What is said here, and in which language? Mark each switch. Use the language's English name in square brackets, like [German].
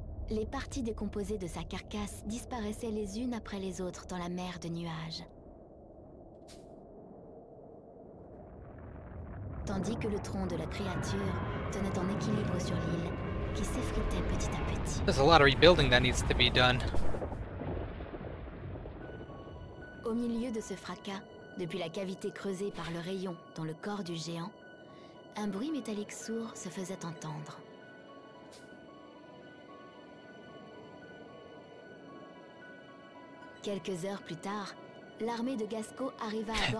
[French] Les parties décomposées de sa carcasse disparaissaient les unes après les autres dans la mer de nuages. Tandis que le tronc de la créature tenait en équilibre sur l'île, qui s'effritait petit à petit. [English] There's a lot of rebuilding that needs to be done. [French] Au milieu de ce fracas, depuis la cavité creusée par le rayon dans le corps du géant, un bruit métallique sourd se faisait entendre. Quelques heures plus tard, l'armée de Gasco arriva à bord